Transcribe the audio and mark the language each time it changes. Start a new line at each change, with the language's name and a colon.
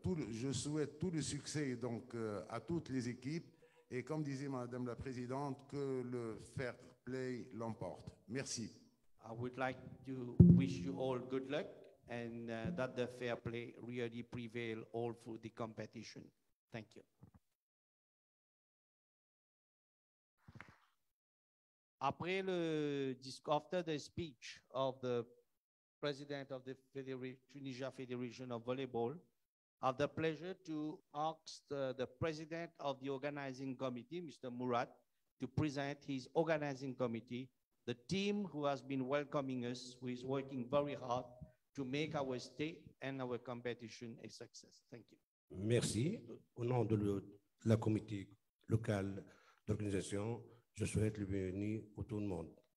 French: Je souhaite tout le succès donc à toutes les équipes. Et comme disait Madame la Présidente, que le fair play l'emporte. Merci.
English: I would like to wish you all good luck and that the fair play really prevail all through the competition. Thank you.
French: Après le discours,
English: after the speech of the President of the Tunisia Federation of Volleyball, I have the pleasure to ask the president of the organizing committee, Mr. Murat, to present his organizing committee, the team who has been welcoming us, who is working very hard to make our stay and our competition a success. Thank you.
French: Merci. Au nom de la comité locale d'organisation, je souhaite le bienvenu à tout le monde.